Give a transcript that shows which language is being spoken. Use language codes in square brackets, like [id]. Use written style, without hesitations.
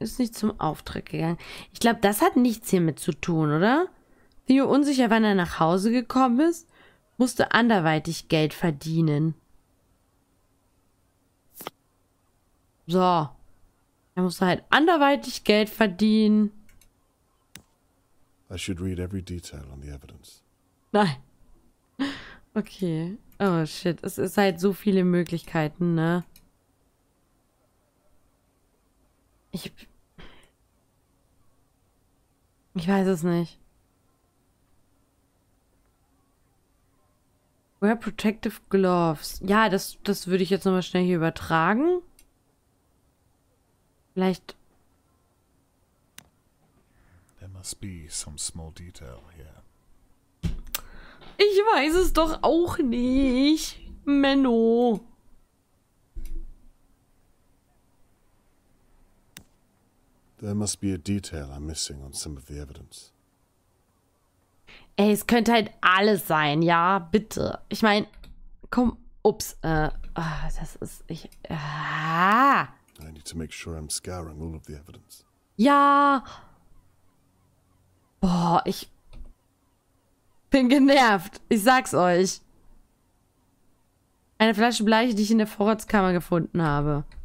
[de] Ist nicht zum Auftritt gegangen. Ich glaube, das hat nichts hiermit zu tun, oder? Tio unsicher, wann er nach Hause gekommen ist, musste anderweitig Geld verdienen. So. Er musste halt anderweitig Geld verdienen. [en] I should read every detail on the evidence. [de] Nein. Okay. Oh shit, es ist halt so viele Möglichkeiten, ne? Ich weiß es nicht. [en] Wear protective gloves. [de] Ja, das würde ich jetzt nochmal schnell hier übertragen. Vielleicht. [en] There must be some small detail here. [de] Ich weiß es doch auch nicht, Menno. [en] There must be a detail I'm missing on some of the evidence. [de] Ey, es könnte halt alles sein, ja, bitte. Ich meine, komm, ups, das ist, ich, [en] I need to make sure I'm scouring all of the evidence. [de] Ja. Boah, ich bin genervt, ich sag's euch. Eine Flasche Bleiche, die ich in der Vorratskammer gefunden habe.